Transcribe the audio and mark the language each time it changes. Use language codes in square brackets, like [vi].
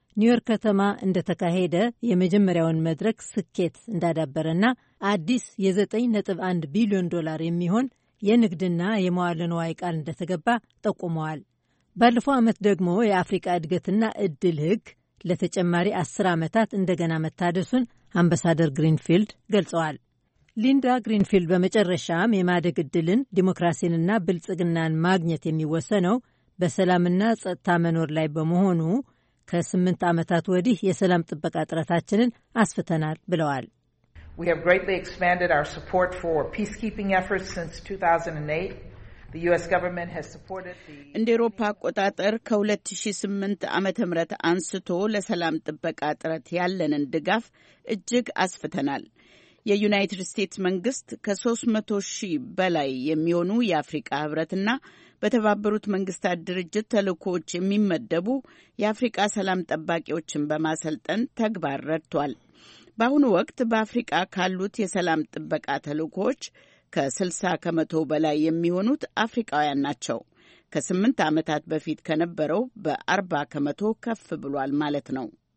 [am] ኒውዮርክ ከተማ እንደተካሄደ የመጀመሪያውን መድረክ ስኬት እንዳዳበረና አዲስ የ9.1 ቢሊዮን ዶላር የሚሆን የንግድና የመዋለ ንዋይ ቃል እንደተገባ ጠቁመዋል። ባለፈው ዓመት ደግሞ የአፍሪካ እድገትና እድል ሕግ ለተጨማሪ 10 ዓመታት እንደገና መታደሱን አምባሳደር ግሪንፊልድ ገልጸዋል። ሊንዳ ግሪንፊልድ በመጨረሻም የማደግ እድልን፣ ዲሞክራሲንና ብልጽግናን ማግኘት የሚወሰነው በሰላምና ጸጥታ መኖር ላይ በመሆኑ ከ8 ዓመታት ወዲህ የሰላም ጥበቃ ጥረታችንን አስፍተናል ብለዋል። [en] We have greatly expanded our support for peacekeeping efforts since 2008. The US government has supported the [am] እንደ አውሮፓ አቆጣጠር ከ2008 ዓመተ ምህረት አንስቶ ለሰላም ጥበቃ ጥረት ያለንን ድጋፍ እጅግ አስፍተናል። የዩናይትድ ስቴትስ መንግስት ከ300,000 በላይ የሚሆኑ የአፍሪካ ህብረትና በተባበሩት መንግስታት ድርጅት ተልእኮዎች የሚመደቡ የአፍሪካ ሰላም ጠባቂዎችን በማሰልጠን ተግባር ረድቷል። በአሁኑ ወቅት በአፍሪካ ካሉት የሰላም ጥበቃ ተልእኮዎች ከ60% በላይ የሚሆኑት አፍሪካውያን ናቸው። ከ8 ዓመታት በፊት ከነበረው በ40% ከፍ ብሏል ማለት ነው።